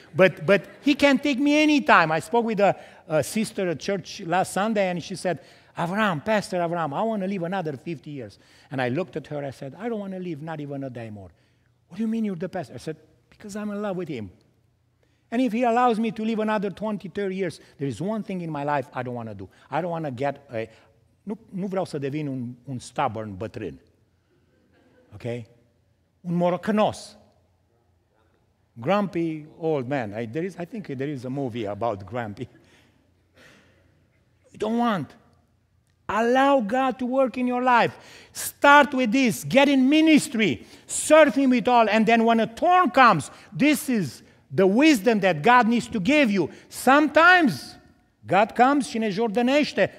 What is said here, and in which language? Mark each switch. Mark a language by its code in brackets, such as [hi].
[en] But He can take me anytime. I spoke with a sister at church last Sunday, and she said, Avram, Pastor Avram, I want to live another 50 years. And I looked at her, I said, I don't want to live not even a day more. What do you mean you're the pastor? I said, because I'm in love with Him. And if He allows me to live another 20, 30 years, there is one thing in my life I don't want to do. I don't want to get a... [ro] Nu vreau să devin un stubborn bătrân. [en] Ok? [ro] Un morocănos. [en] Grumpy old man. I think there is a movie about grumpy. You don't want. Allow God to work in your life. Start with this. Get in ministry. Serve Him with all. And then when a thorn comes, this is the wisdom that God needs to give you. Sometimes God comes [ro] și ne jordănește.